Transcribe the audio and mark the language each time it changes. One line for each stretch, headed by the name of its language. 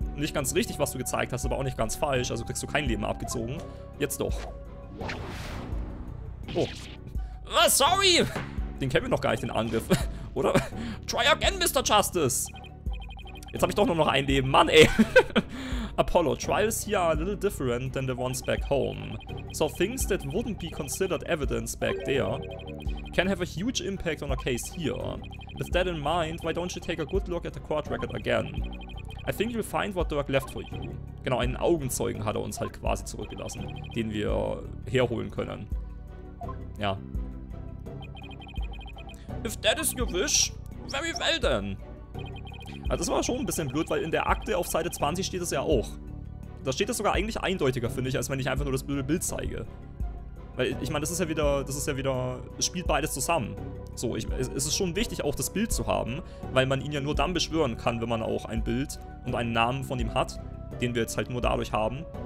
German: nicht ganz richtig, was du gezeigt hast, aber auch nicht ganz falsch. Also kriegst du kein Leben abgezogen. Jetzt doch.
English: Oh. Oh, sorry!
German: Den kennen wir noch gar nicht, den Angriff. Oder?
English: Try again, Mr. Justice!
German: Jetzt habe ich doch nur noch ein Leben. Mann, ey!
English: Apollo, trials here are a little different than the ones back home. So things that wouldn't be considered evidence back there can have a huge impact on a case here. With that in mind, why don't you take a good look at the court record again? I think you'll find what Dirk left for you.
German: Genau, einen Augenzeugen hat er uns halt quasi zurückgelassen, den wir herholen können. Ja.
English: If that is your wish, very well then.
German: Also das war schon ein bisschen blöd, weil in der Akte auf Seite 20 steht es ja auch. Da steht das sogar eigentlich eindeutiger, finde ich, als wenn ich einfach nur das blöde Bild zeige. Weil, ich meine, das ist ja wieder, es spielt beides zusammen. So, es ist schon wichtig, auch das Bild zu haben, weil man ihn ja nur dann beschwören kann, wenn man auch ein Bild und einen Namen von ihm hat, den wir jetzt halt nur dadurch haben.